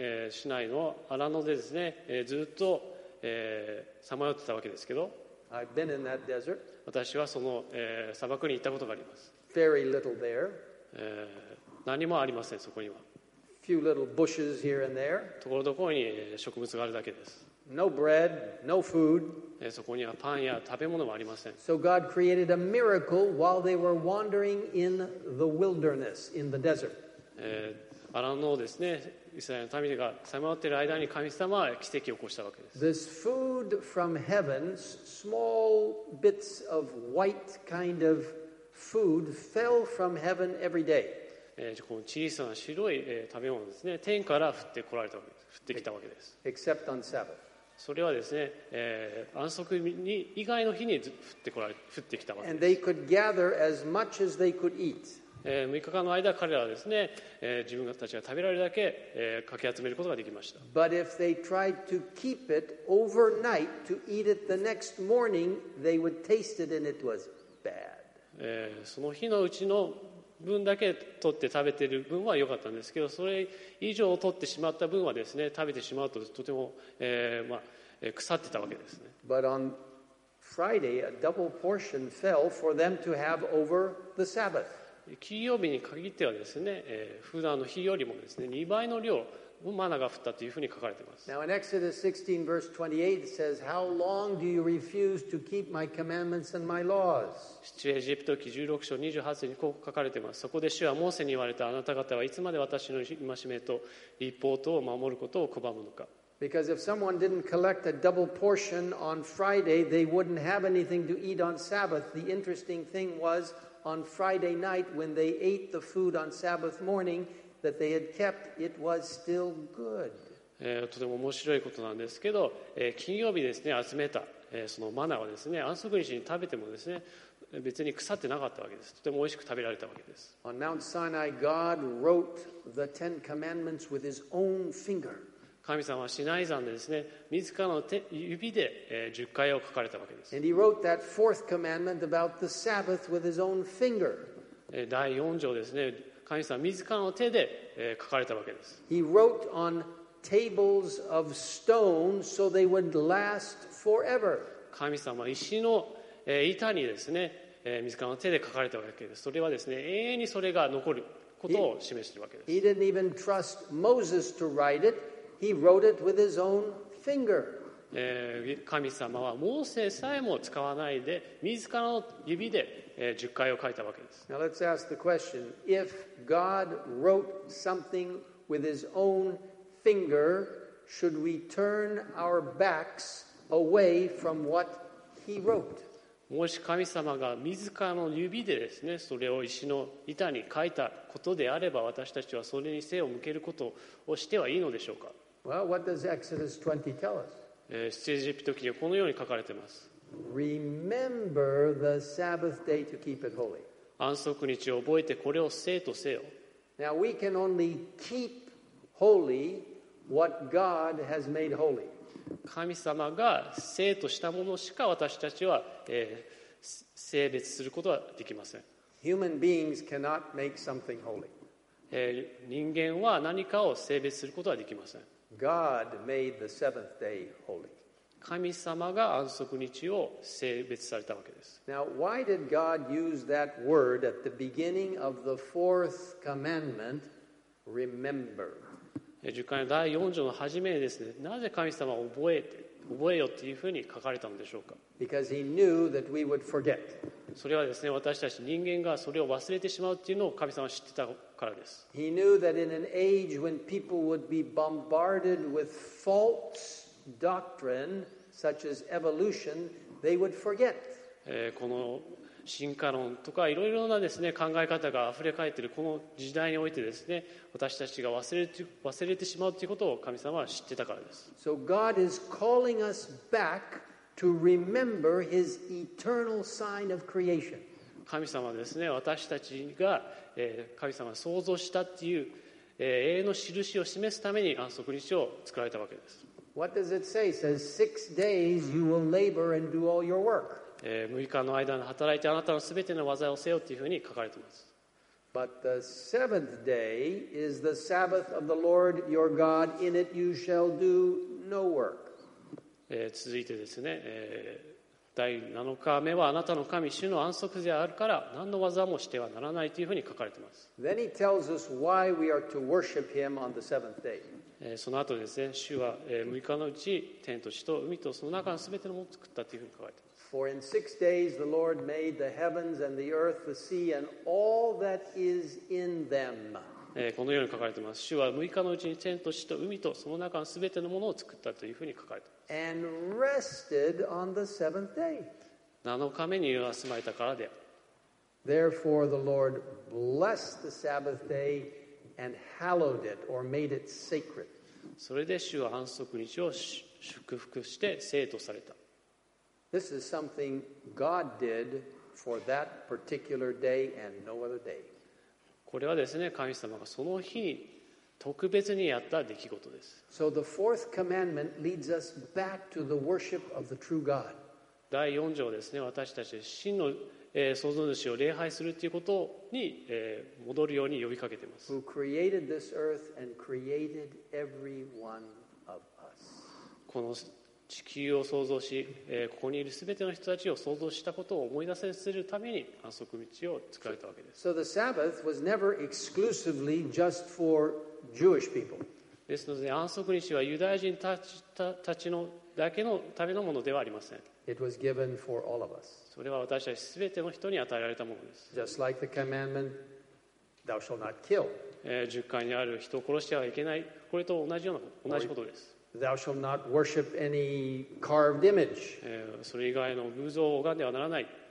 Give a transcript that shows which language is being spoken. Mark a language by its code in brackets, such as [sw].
[ja] シナイの荒野でですね、ずっとさまよってたわけですけど。 [en] I've been in that desert. [ja] 私はその、砂漠に行ったことがあります。 [en] Very little there. [ja] 何もありません、そこには。 [en] Few little bushes here and there. [ja] ところどころに植物があるだけです。 [en] No bread, no food. [ja] そこにはパンや食べ物もありません。 [en] So God created a miracle while they were wandering in the wilderness, in the desert. [ja] アランのですね、イスラエルの民がさまよっている間に神様は奇跡を起こしたわけです。 [en] This food from heaven, small bits of white kind of food, fell from heaven every day. [ja] この小さな白い食べ物ですね、天から降ってこられたわけです。降ってきたわけです。 [en] Except on Sabbath. [ja] それはですね、安息に以外の日に降ってきたわけです。 [en] And they could gather as much as they could eat. [ja] 6日間の間彼らはですね、自分たちが食べられるだけ、かき集めることができました。 [en] But if they tried to keep it overnight to eat it the next morning, they would taste it and it was bad. [ja] その日のうちの分だけ取って食べてる分は良かったんですけど、それ以上取ってしまった分はですね、食べてしまうととても、腐ってたわけですね。 [en] But on Friday, a double portion fell for them to have over the Sabbath. [ja] 金曜日に限ってはですね、普段の日よりもですね、2倍の量のマナが降ったというふうに書かれています。 [en] Now in Exodus 16 verse 28 says, How long do you refuse to keep my commandments and my laws? [ja] 出エジプト記16章28節にこう書かれています。そこで主はモーセに言われた、あなた方はいつまで私の戒めと律法とを守ることを拒むのか。 [en] Because if someone didn't collect a double portion on Friday, they wouldn't have anything to eat on Sabbath. The interesting thing was,On Friday night, when they ate the food on Sabbath morning that they had kept, it was still good. [ja] とても面白いことなんですけど、金曜日ですね、集めた、そのマナはですね、安息日に食べてもですね、別に腐ってなかったわけです。とても美味しく食べられたわけです。 [en] On Mount Sinai, God wrote the Ten Commandments with His own finger. [ja] 神様はシナイ山でですね、自らの指で十戒を書かれたわけです。 [en] And he wrote that fourth commandment about the Sabbath with his own finger. [ja] 第四条ですね、神様は自らの手で書かれたわけです。 [en] He wrote on tables of stone so they would last forever. [ja] 神様は石の板にですね、自らの手で書かれたわけです。それはですね、永遠にそれが残ることを示しているわけです。 [en] He didn't even trust Moses to write it. He wrote it with his own finger. [ja] 神様はモーセさえも使わないで自らの指で十戒を書いたわけです。 [en] Now let's ask the question: If God wrote something with His own finger, should we turn our backs away from what He wrote? [ja] もし神様が自らの指でですね、それを石の板に書いたことであれば、私たちはそれに背を向けることをしてはいいのでしょうか？ [en] Well, what does Exodus 20 tell us? [ja] 出エジプト記はこのように書かれています。 [en] Remember the Sabbath day to keep it holy. [ja] 安息日を覚えてこれを聖とせよ。 [en] Now we can only keep holy what God has made holy. [ja] 神様が聖としたものしか私たちは、聖別することはできません。 [en] Human beings cannot make something holy. [ja] 人間は何かを聖別することはできません。 [en] God made the seventh day holy. [ja] 神様が安息日を聖別されたわけです。 [en] Now, why did God use that word at the beginning of the fourth commandment, remember? [ja] 十戒の第四条の初めにですね、なぜ神様は覚えよっていうふうに書かれたのでしょうか。 [en] Because he knew that we would forget. [ja] それはですね、私たち人間がそれを忘れてしまうっていうのを神様は知ってたからです。 [en] He knew that in an age when people would be bombarded with false doctrine, such as evolution, They would forget. [ja] この進化論とかいろいろなですね考え方があふれかえっているこの時代においてですね、私たちが忘れてしまうということを神様は知ってたからです。 [en] So God is calling us back to remember His eternal sign of creation. [ja] 神様はですね、私たちが神様が創造したっていう永遠の印を示すために安息日を作られたわけです。 [en] What does it say? It says six days you will labor and do all your work. [ja] 6日の間に働いてあなたのすべての技をせよというふうに書かれています。 [en] But the seventh day is the Sabbath of the Lord your God. In it you shall do no work. [ja] 続いてですね、第7日目はあなたの神主の安息であるから何の技もしてはならないというふうに書かれています。 [en] Then he tells us why we are to worship him on the seventh day. [ja] その後ですね、主は6日のうち天と地と海とその中のすべてのものを作ったというふうに書かれています。 [en] For in six days the Lord made the heavens and the earth, the sea, and all that is in them. [ja] このように書かれています。主は6日のうちに天と地と海とその中のすべてのものを作ったというふうに書かれています。 [en] And rested on the seventh day. [ja] 7日目に休まれたからである。 [en] Therefore the Lord blessed the Sabbath day and hallowed it or made it sacred. [ja] それで主は安息日を祝福して聖とされた。 [en] This is something God did for that particular day and no other day. [ja] これはですね、神様がその日に特別にやった出来事です。 [en] So the fourth commandment leads us back to the worship of the true God. [ja] 第4条ですね、私たち真の創造主を礼拝するということに戻るように呼びかけています。 [en] Who created this earth and created every one of us. [ja] この地球を創造し、ここにいるすべての人たちを創造したことを思い出せするために安息日を作られたわけです。 [en] So the Sabbath was never exclusively just for Jewish people. [ja] ですので、安息日はユダヤ人たちのだけのためのものではありません。 [en] It was given for all of us. [ja] それは私たちすべての人に与えられたものです。 [en] Just like the commandment, thou shalt not kill. [ja] 十戒にある人を殺してはいけない、これと同じことです。 [en] Thou shalt not worship any carved image. [ja] それ以外の偶像を拝んではならない。